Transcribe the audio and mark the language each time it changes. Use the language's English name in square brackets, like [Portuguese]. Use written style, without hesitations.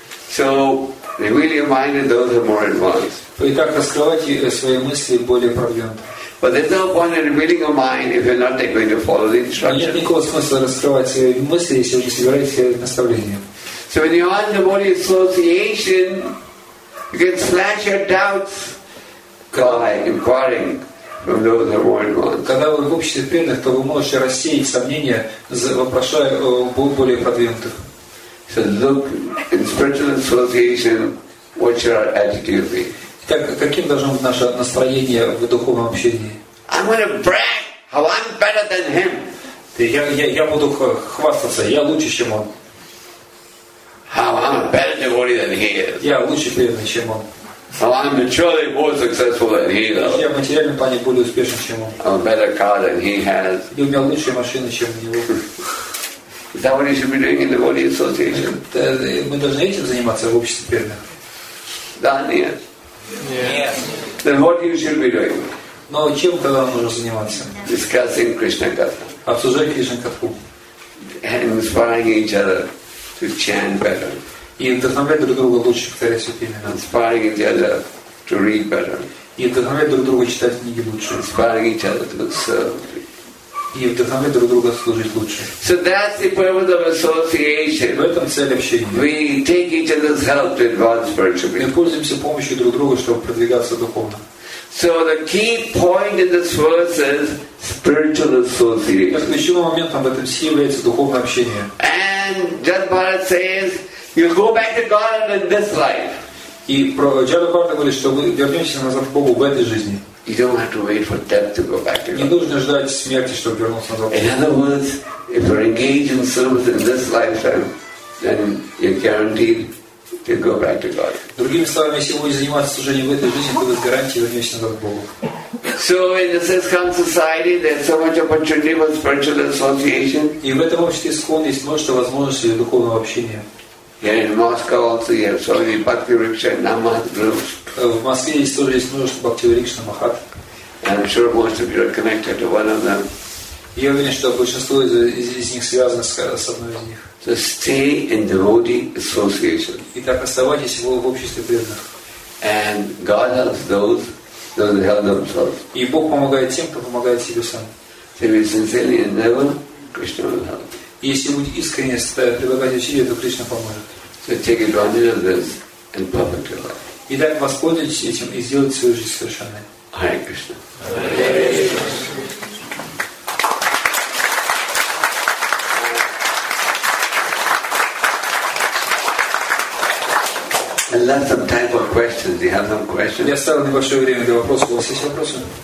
[English] So reveal your mind to those who are more advanced. [Russian] Итак, раскрывайте свои мысли более продвинуто. [English] But there's no point in revealing your mind if you're not going to follow the instructions. [Russian] Нет никакого смысла раскрывать свои мысли, если вы не собираетесь следовать наставлениям. [English] So when you are in the body association, you can slash your doubts by inquiring from those who are more advanced. [Russian] Когда вы в обществе преданных, то вы можете рассеять сомнения, вопрошая более продвинутых. [English] So look in spiritual association, what should our attitude be? [Russian] Так каким должно быть наше настроение в духовном общении? [English] I'm gonna brag how I'm better than him. [Russian] Я буду хвастаться, я лучше, чем он. [English] How I'm a better devotee than he is. [Russian] Я лучше преданный, чем он. [English] How I'm materially more successful than he is. [Russian] Я в материальном плане более успешен, чем он. [English] I'm a better car than he has. [Russian] И у меня лучшая машина, чем у него. [English] Is that what you should be doing in the body association? [Russian] Мы должны этим заниматься в обществе преданных. Да, нет. [English] Yes. Then what you should be doing? [Russian] Но чем тогда нужно заниматься? [English] Discussing Krishna Katha. [Russian] Обсуждать Кришна Катху. [English] Inspiring each other to chant better. [Russian] И вдохновлять друг друга лучше повторять святые имена. [English] Inspiring each other to read better. [Russian] И вдохновлять друг друга читать книги лучше. [English] Inspiring each other to serve. [Russian] И вдохновлять друг друга служить лучше. [English] So that's the purpose of association. [Russian] В этом цель общения. [English] We take each other's help to advance spiritually. [Russian] Мы пользуемся помощью друг друга, чтобы продвигаться духовно. [English] So the key point in this verse is spiritual association. [Russian] Ключевым моментом в этом стихе является духовное общение. [English] And Jada Bharat says, you'll go back to God in this life. [Russian] И Джада Бхарата говорит, что мы вернемся назад к Богу в этой жизни. [English] You don't have to wait for death to go back to God. [Russian] Не нужно ждать смерти, чтобы вернуться назад. [English] In other words, if you're engaged in service in this lifetime, then you're guaranteed to go back to God. [Russian] Другими словами, если вы занимаетесь служением в этой жизни, то вы с гарантией вернёшься назад к Богу. [English] So in this ISKCON society, there's so much opportunity for spiritual association. [Russian] И в этом обществе ISKCON есть множество возможностей для духовного общения. [English] Here in Moscow also, you have so many Bhakti Riksha Namahat groups. [Russian] В Москве есть тоже есть множество Bhakti Riksha Namahat. [English] And I'm sure most of you are connected to one of them. [Russian] Я уверен, что большинство из них связано с одной из них. [English] So stay in devotee association. [Russian] Итак, оставайтесь в обществе преданных. [English] And God helps those who help themselves. [Russian] И Бог помогает тем, кто помогает себе сам. [English] So if you sincerely endeavor, Krishna will help. [Russian] Если вы искренне предлагаете усилия, то Кришна поможет. [English] So take advantage of this and perfect your life. [Russian] Итак, воспользуйтесь этим и сделайте свою жизнь совершенной. [English] Hare Krishna. I left some time for questions. Do you have some questions? [Russian] Я оставил небольшое время для вопросов. У вас есть вопросы?